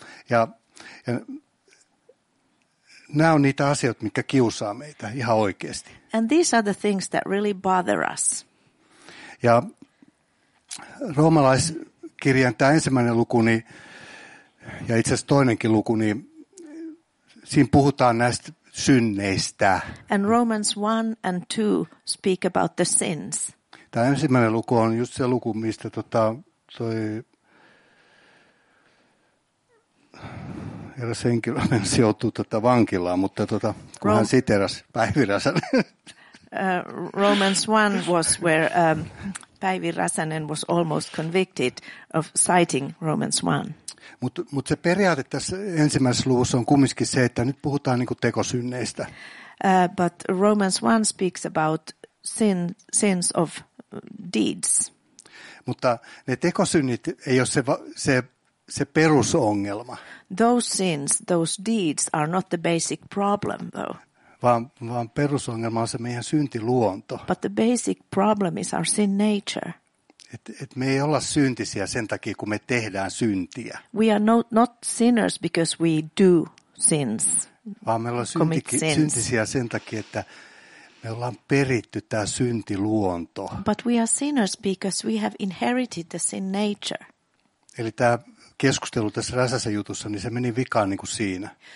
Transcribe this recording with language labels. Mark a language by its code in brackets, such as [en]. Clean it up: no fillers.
[fi] Ja nämä on niitä asioita, mitkä kiusaa meitä ihan oikeasti. [en] And these are the things that really bother us. [fi] Ja roomalaiskirjan tämä ensimmäinen luku, niin, ja itse asiassa toinenkin luku, niin siinä puhutaan näistä synneistä. [en] And Romans 1 and 2 speak about the sins. [fi] Tämä ensimmäinen luku on just se luku, mistä toi eräs henkilö ensi joutuu vankilaan, mutta kun hän siteerasi Päivi Räsänen. [en] Romans 1 was where Päivi Räsänen was almost convicted of citing Romans 1. [fi] Mut se periaate tässä ensimmäisessä luvussa on kumminkin se, että nyt puhutaan niinku tekosynneistä. [en] But Romans 1 speaks about sins of deeds. [fi] Mutta ne tekosynnit ei ole se perusongelma. [en] Those sins, those deeds are not the basic problem though. [fi] Vaan perusongelma on se meidän syntiluonto. [en] But the basic problem is our sin nature. [fi] Et me ei olla syntisiä sen takia, kun me tehdään syntiä. [en] We are not sinners because we do sins. [fi] Vaan me ollaan syntisiä sen takia, että me ollaan peritty tämä syntiluonto. [en] But we are sinners because we have inherited the sin nature. [fi] Eli tämä keskustelu tässä Räsäsen jutussa, niin se meni vikaan niin kuin siinä.